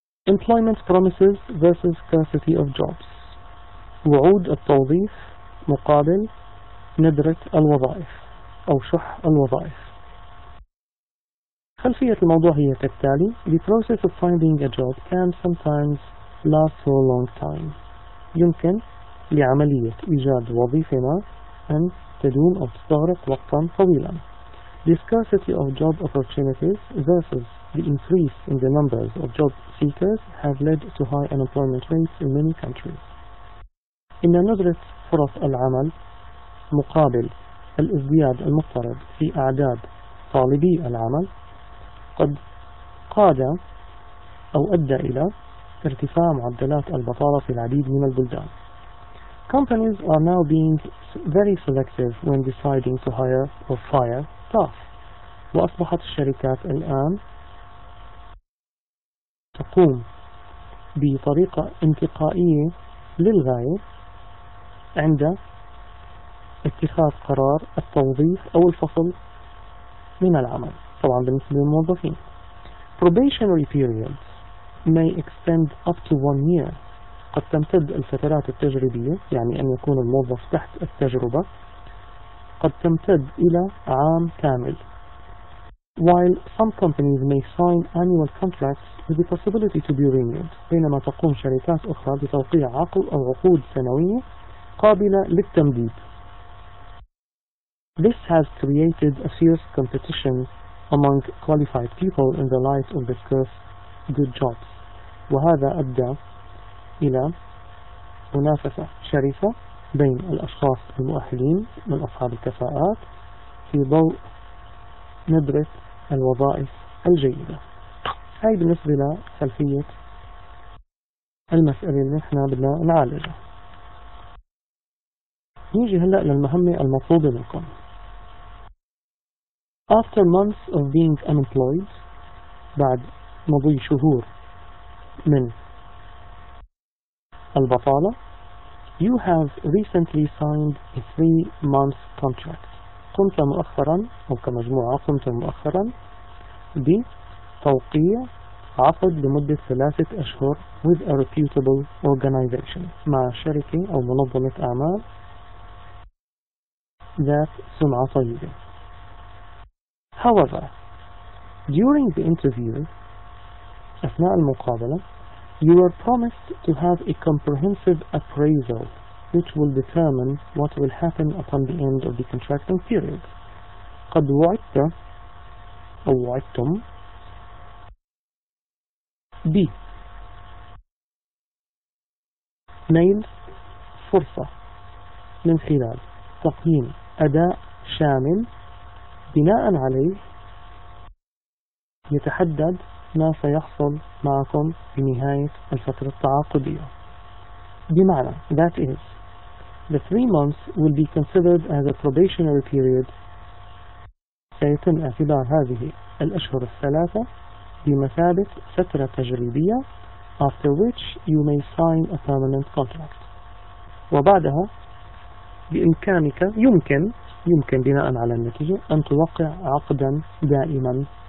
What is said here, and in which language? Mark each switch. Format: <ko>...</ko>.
<en>Employment promises versus scarcity of jobs.</en> <ar>وعود التوظيف مقابل ندرة الوظائف أو شح الوظائف. خلفية الموضوع هي كالتالي:</ar> <en>The process of finding a job can sometimes last for a long time.</en> <ar>يمكن لعملية إيجاد وظيفة ما أن تدوم أو تستغرق وقتا طويلا.</ar> <en>The scarcity of job opportunities versus the increase in the numbers of job seekers have led to high unemployment rates in many countries.</en> <ar>إن ندرة فرص العمل مقابل الازدياد المفترض في أعداد طالبي العمل قد قاد أو أدى إلى ارتفاع معدلات البطالة في العديد من البلدان.</ar> <en>Companies are now being very selective when deciding to hire or fire staff.</en> <ar>وأصبحت الشركات الآن تقوم بطريقة انتقائية للغاية عند اتخاذ قرار التوظيف أو الفصل من العمل، طبعا بالنسبة للموظفين.</ar> <en>Probationary periods may extend up to one year.</en> <ar>قد تمتد الفترات التجريبية، يعني أن يكون الموظف تحت التجربة، قد تمتد إلى عام كامل.</ar> <en>While some companies may sign annual contracts with the possibility to be renewed.</en> <ar>بينما تقوم شركات أخرى بتوقيع عقود سنوية قابلة للتمديد.</ar> <en>This has created a fierce competition among qualified people in the light of the scarce good jobs.</en> <ar>وهذا أدى إلى منافسة شرسة بين الأشخاص المؤهلين من أصحاب الكفاءات في ضوء ندرة الوظائف الجيدة. هاي بالنسبة لخلفية المسألة اللي احنا بدنا نعالجها. نيجي هلأ للمهمة المطلوبة منكم.</ar> <en>After months of being unemployed,</en> <ar>بعد مضي شهور من البطالة،</ar> <en>you have recently signed a 3-month contract.</en> <ar>قمت مؤخرا أو كمجموعة قمت مؤخرا بتوقيع عقد لمدة 3 أشهر</ar> <en>with a reputable organization،</en> <ar>مع شركة أو منظمة أعمال ذات سمعة طيبة.</ar> <en>However, during the interview,</en> <ar>أثناء المقابلة,</ar> <en>you are promised to have a comprehensive appraisal which will determine what will happen upon the end of the contracting period.</en> <ar>قد وعدت أو وعدتم بي نيل فرصة من خلال تقييم أداء شامل بناء عليه يتحدد ما سيحصل معكم بنهاية الفترة التعاقدية.</ar> <en>بمعنى that is the 3 months will be considered as a probationary period.</en> <ar>سيتم اعتبار هذه الأشهر الثلاثة بمثابة فترة تجريبية</ar> <en>after which you may sign a permanent contract.</en> <ar>وبعدها بإمكانك يمكن بناء على النتيجة أن توقع عقدا دائما.</ar>